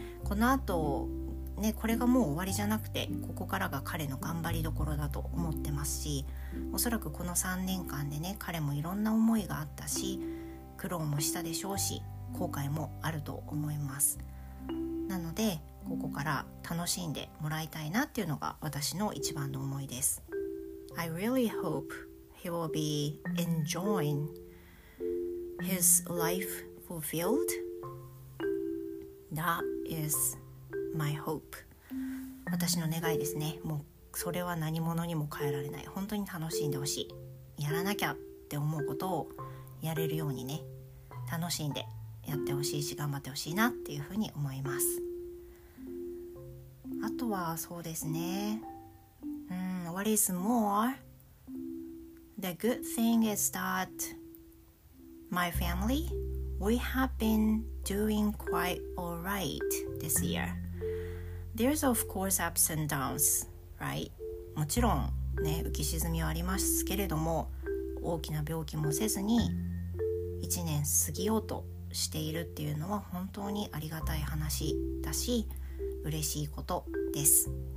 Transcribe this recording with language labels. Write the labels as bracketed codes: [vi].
[ja] このあとね、これがもう終わりじゃなくて、ここからが彼の頑張りどころだと思ってますし、おそらくこの3年間でね、彼もいろんな思いがあったし、苦労もしたでしょうし、後悔もあると思います。なのでここから楽しんでもらいたいなっていうのが私の一番の思いです。 [en] I really hope he will be enjoying his life fulfilled. That is my hope. [ja] 私の願いですね。もうそれは何者にも変えられない。本当に楽しんでほしい。やらなきゃって思うことをやれるようにね、楽しんでやってほしいし、頑張ってほしいなっていうふうに思います。あとはそうですね、 [en] What is more, the good thing is that my family, we have been doing quite alright this year. There's of course ups and downs, right? [ja] もちろんね、浮き沈みはありますけれども、大きな病気もせずに1年過ぎようとしているっていうのは本当にありがたい話だし、嬉しいことです。